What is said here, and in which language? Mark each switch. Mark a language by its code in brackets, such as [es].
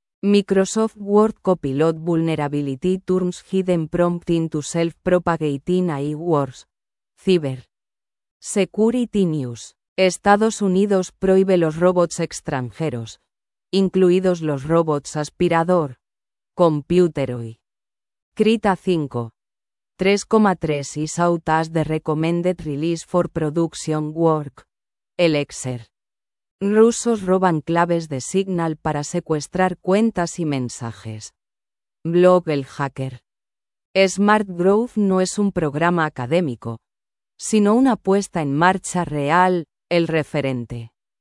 [en] Microsoft Word Copilot Vulnerability Turns Hidden Prompt into Self-Propagating AI Wars. Cyber. Security News. [es] Estados Unidos prohíbe los robots extranjeros, incluidos los robots aspirador. Computer Hoy. Krita 5. [en] 3.3 is out as the recommended release for production work. Elixir. [es] Rusos roban claves de Signal para secuestrar cuentas y mensajes. Blog El Hacker. Smart Growth no es un programa académico, sino una puesta en marcha real, el referente.